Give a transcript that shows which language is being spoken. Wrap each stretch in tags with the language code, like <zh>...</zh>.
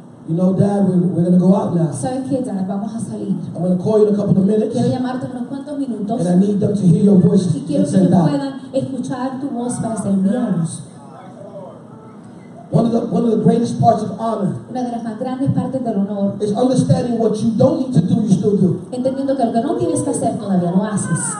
<en>You know, Dad, we're going to go out now.</en> <es>¿Sabes qué, Dad? Vamos a salir.</es> <en>I'm going to call you in a couple of minutes.</en> <es>Quiero llamarte unos cuantos minutos.</es> <en>And I need them to hear your voice.</en> <es>Y quiero que puedan escuchar tu voz para ser enviados.</es> <en>One of the greatest parts of honor,</en> <es>una de las más grandes partes del honor,</es> <en>is understanding what you don't need to do, you still do.</en> <es>Entendiendo que lo que no tienes que hacer todavía lo haces.</es>